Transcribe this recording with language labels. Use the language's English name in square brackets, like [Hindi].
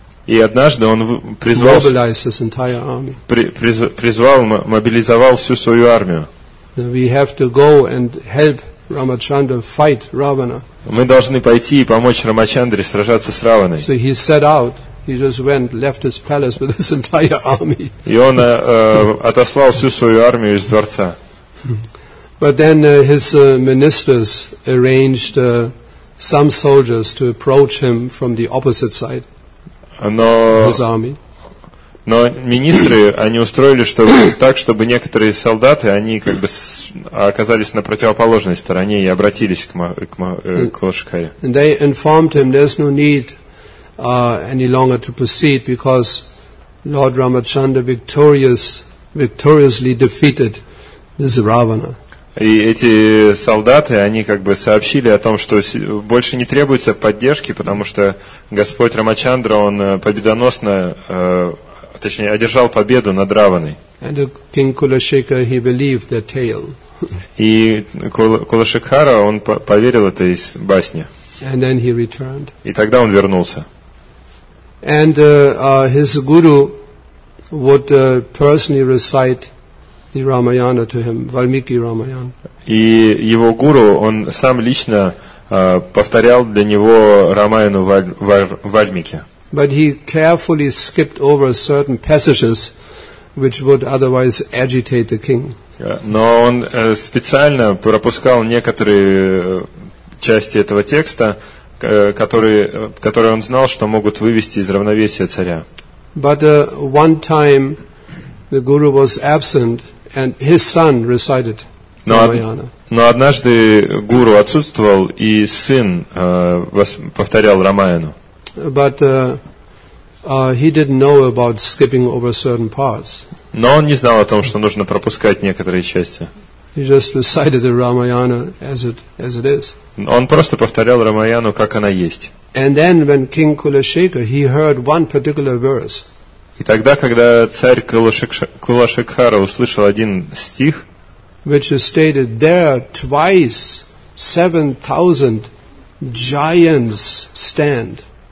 [Russian] И однажды он призвал, [English] mobilized his entire army. [Russian] Призвал, мобилизовал всю свою армию. [English] We have to go and help Ramachandra fight Ravana. [Russian] Мы должны пойти и помочь Рамачандре сражаться с Раваной. [English] So he set out. He just went, left his palace with his entire army. [Russian] И он отослал всю свою армию из дворца. [English] But then his ministers arranged some soldiers to approach him from the opposite side. His army. [Russian] Но министры, они устроили чтобы, так, чтобы некоторые солдаты, они как бы оказались на противоположной стороне и обратились к Лошикаре. [English] And they informed him there's no need any longer to proceed, because Lord Ramachandra victoriously defeated this Ravana. [Russian] И эти солдаты, они как бы сообщили о том, что больше не требуется поддержки, потому что Господь Рамачандра, он победоносно точнее, одержал победу над Раваной. [English] And the King Kulashekhar, he believed that tale. [Russian] И Кулашекхара, он поверил этой басне. [English] And then he returned. [Russian] И тогда он вернулся. [English] And his guru would personally recite the Ramayana to him, Valmiki Ramayana. [Russian] И его гуру, он сам лично повторял для него Рамаяну Вальмики. [English] But he carefully skipped over certain passages which would otherwise agitate the king. [Russian] Но он специально пропускал некоторые части этого текста, которые он знал, что могут вывести из равновесия царя. [English] But one time the guru was absent and his son recited Ramayana. [Russian] Но однажды гуру отсутствовал, и сын повторял Рамаяну. [English] But he didn't know about skipping over certain parts. [Russian] Но он не знал о том, что нужно пропускать некоторые части. [English] He just recited the Ramayana as it is. [Russian] Он просто повторял Рамаяну, как она есть. [English] And then when King Kulashekhar, he heard one particular verse. [Russian] И тогда, когда царь Кулашекхара услышал один стих, [English] which is stated there twice 7,000 giants stand.